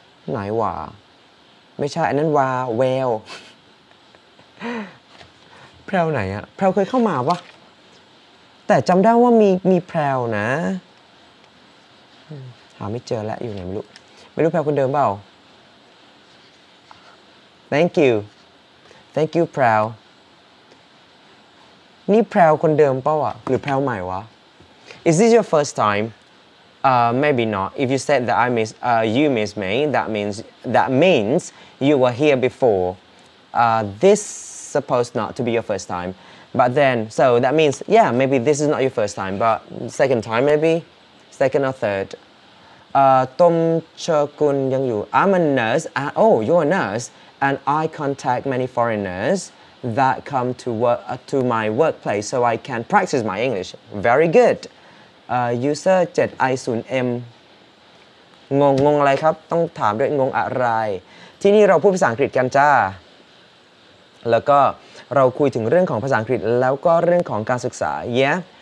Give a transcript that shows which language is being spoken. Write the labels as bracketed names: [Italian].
[Thai] ไหนวะ ไม่ใช่อันนั้นวาเวลแพรวไหนอะแพรวเคยเข้ามาวะแต่จำได้ว่ามีแพรวนะหาไม่เจอแล้วอยู่ไหนไม่รู้แพรวคนเดิมเปล่า [English] Thank youThank you, Prel. [Thai] นี่ Prel คนเดิมเปล่าวะหรือ Prel ใหม่วะ [English] Is this your first time? Maybe not. If you said that you miss me, that means you were here before. This supposed not to be your first time. But then, so that means, yeah, maybe this is not your first time, but second time maybe? Second or third? Tom Chokun Yang Yu. I'm a nurse. You're a nurse. And I contact many foreigners that come to work to my workplace so I can practice my English. Very good. [Thai] User 7i0m งงอะไรครับต้องถามด้วยงงอะไรที่นี่เราพูดภาษาอังกฤษกันจ้าแล้วก็เราคุยถึงเรื่องของภาษาอังกฤษแล้วก็เรื่องของการศึกษา Yeah.